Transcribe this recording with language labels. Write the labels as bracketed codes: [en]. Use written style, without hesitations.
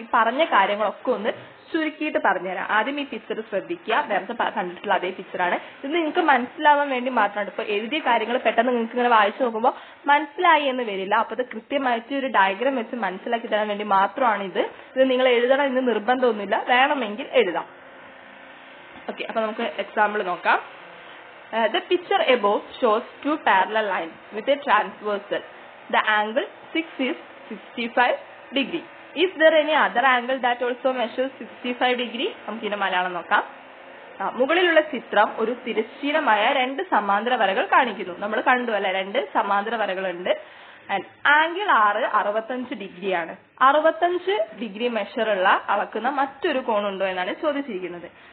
[ml] ഈ പറഞ്ഞ കാര്യങ്ങളൊക്കെ ഒന്ന് ചുരുക്കിയിട്ട് പറഞ്ഞുതരാം. ആദ്യം ഈ പിക്ചർ ശ്രദ്ധിക്കുക, നേരത്തെ കണ്ടിട്ടുള്ള അതേ പിക്ചറാണ്. ഇത് നിങ്ങൾക്ക് മനസ്സിലാവാൻ വേണ്ടി മാത്രമാണ്. ഇപ്പൊ എഴുതിയ കാര്യങ്ങൾ പെട്ടെന്ന് നിങ്ങൾക്ക് ഇങ്ങനെ വായിച്ചു നോക്കുമ്പോൾ മനസ്സിലായി എന്ന് വരില്ല. അപ്പൊ ഇത് കൃത്യമായിട്ട് ഒരു ഡയഗ്രാം വെച്ച് മനസ്സിലാക്കി തരാൻ വേണ്ടി മാത്രമാണ് ഇത്. ഇത് നിങ്ങൾ എഴുതണം എന്ന് നിർബന്ധമൊന്നുമില്ല, വേണമെങ്കിൽ എഴുതാം. ഓക്കെ, അപ്പൊ നമുക്ക് എക്സാമ്പിൾ നോക്കാം. [en] The picture above shows two parallel lines with a transversal. The angle 6 is 65 degree. Is there any other angle that also measures 65 degree? [ml] നമുക്ക് ഇതിനെ മലയാളം നോക്കാം. മുകളിലുള്ള ചിത്രം ഒരു തിരശ്ചീനമായ രണ്ട് സമാന്തര വരകൾ കാണിക്കുന്നു. നമ്മൾ കണ്ടു അല്ലെ, രണ്ട് സമാന്തര വരകളുണ്ട്. ആംഗിൾ 6 65 ഡിഗ്രിയാണ്. 65 ഡിഗ്രി മെഷറുള്ള അളക്കുന്ന മറ്റൊരു കോണുണ്ടോ എന്നാണ് ചോദിച്ചിരിക്കുന്നത്.